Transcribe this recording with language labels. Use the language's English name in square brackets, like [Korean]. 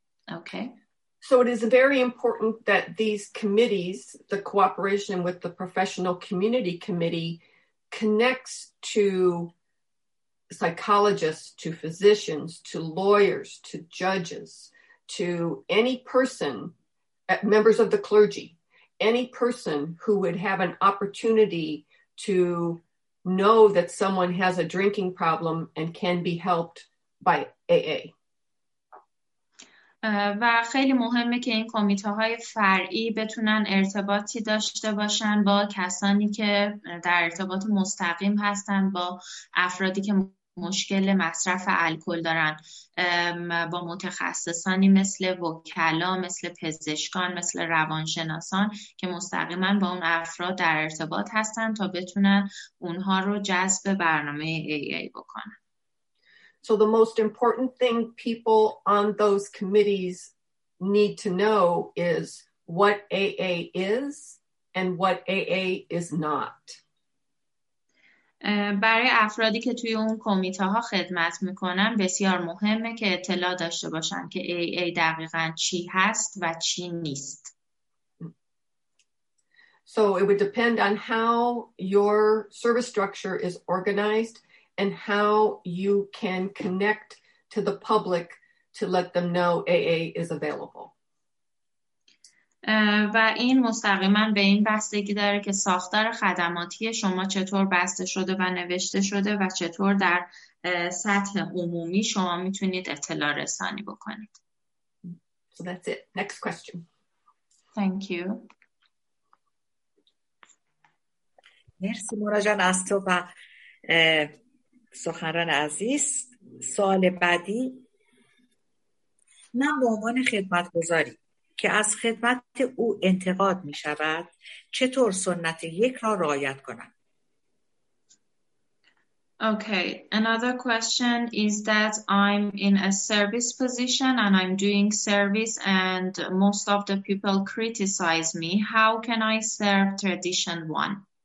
[English] Okay. So it is very important that these committees, the cooperation with the Professional Community Committee, connects to psychologists, to physicians, to lawyers, to judges, to any person, members of the clergy, any person who would have an opportunity to know that someone has a drinking problem and can be helped by AA. [Persian] و خیلی مهمه که این کمیته‌های فرعی بتونن ارتباطی داشته باشن با کسانی که در ارتباط مستقیم هستن با افرادی که مشکل مصرف الکل دارن، با متخصصانی مثل وکلا، مثل پزشکان، مثل روانشناسان که مستقیما با اون افراد در ارتباط هستن تا بتونن اونها رو جذب برنامه AA بکنن. [English] So the most important thing people on those committees need to know is what AA is and what AA is not. [Persian] برای افرادی که توی اون کمیته ها خدمت میکنن بسیار مهمه که اطلاع داشته باشن که AA دقیقاً چی هست و چی نیست. [English] So it would depend on how your service structure is organized and how you can connect to the public to let them know AA is available. [Persian] و این مستقیما به این بستگی داره که ساختار خدماتی شما چطور بسته شده و نوشته شده و چطور در سطح عمومی شما میتونید اطلاع رسانی بکنید. [English] So that's it. Next question. Thank you. [Persian] مرسی مورا جان از تو و سخنران عزیز. سوال بعدی، من به عنوان خدمتگزاری که از خدمت او انتقاد می شود چطور سنت یک را رعایت کنم؟ [English] Okay, another question is that I'm in a service position and I'm doing service and most of the people criticize me. How can I serve tradition one?